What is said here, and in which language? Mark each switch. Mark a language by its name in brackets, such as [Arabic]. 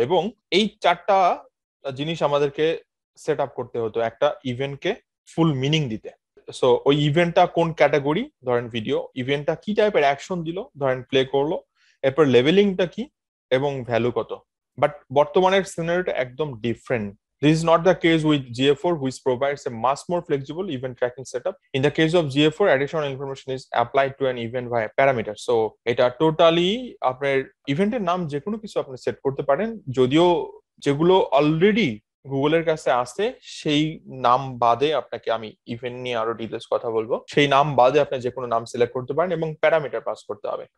[Bangla] এবং এই চারটা জিনিস আমাদেরকে সেট আপ করতে হতো একটা ইভেন্টকে ফুল মিনিং দিতে। সো ওই ইভেন্টটা কোন ক্যাটাগরি, ধরেন ভিডিও, ইভেন্টটা কি টাইপের অ্যাকশন দিল, ধরেন প্লে করলো, এরপর লেভেলিংটা কি এবং ভ্যালু কত। But বর্তমানের সিনারিওটা একদম different. [English] This is not the case with GA4, which provides a much more flexible event tracking setup. In the case of GA4, additional information is applied to an event via parameter. [Bangla] So এটা totally আপনার ইভেন্টের নাম যে কোনো কিছু আপনি set করতে পারেন, যদিও যেগুলো অলরেডি গুগলের কাছে আসে সেই নাম বাদে, আপনাকে আমি ইভেন্ট নিয়ে আরো ডিটেলস কথা বলবো, সেই নাম বাদে আপনি যে কোনো নাম সিলেক্ট করতে পারেন এবং প্যারামিটার পাস করতে হবে।